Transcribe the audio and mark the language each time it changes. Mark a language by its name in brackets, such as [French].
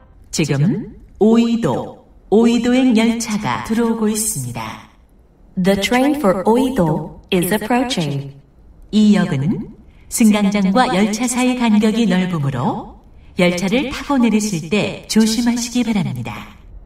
[Korean] 지금 오이도, 오이도행 열차가 들어오고 있습니다. [English] The train for Oido is approaching. [Korean] 이 역은 승강장과 열차 사이 간격이 넓으므로 열차를 타고 내리실 때 조심하시기 바랍니다.